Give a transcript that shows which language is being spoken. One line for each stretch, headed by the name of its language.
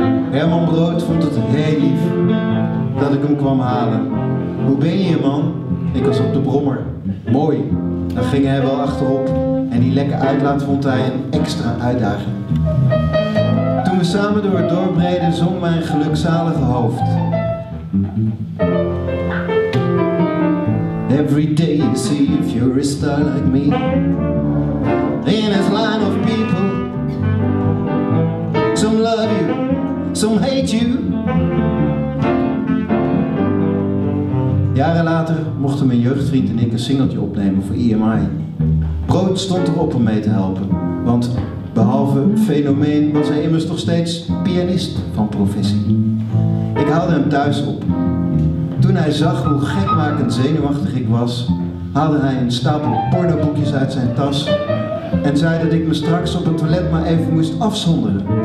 Dutch: Herman Brood vond het heel lief dat ik hem kwam halen. Hoe ben je, man? Ik was op de brommer. Mooi, daar ging hij wel achterop. En die lekke uitlaat vond hij een extra uitdaging. Toen we samen door het dorp reden, zong mijn gelukzalige hoofd.
English: Every day you see if you're a star like me. In this line of people. Some love you, some hate you.
Dutch: Jaren later mochten mijn jeugdvriend en ik een singeltje opnemen voor EMI. Brood stond erop om mee te helpen. Want behalve fenomeen was hij immers nog steeds pianist van professie. Ik haalde hem thuis op. Toen hij zag hoe gekmakend zenuwachtig ik was, haalde hij een stapel pornoboekjes uit zijn tas en zei dat ik me straks op het toilet maar even moest afzonderen.